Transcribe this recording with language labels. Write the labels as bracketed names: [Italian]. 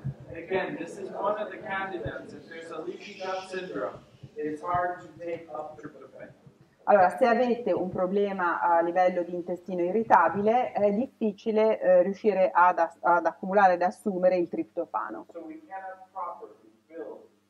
[English] Again, this is one of the candidates. If there's a leaky gut syndrome, it's hard to take up tryptophan. [Italian] Allora, se avete un problema a livello di intestino irritabile, è difficile riuscire ad accumulare ed assumere il triptofano. [English] So we cannot properly build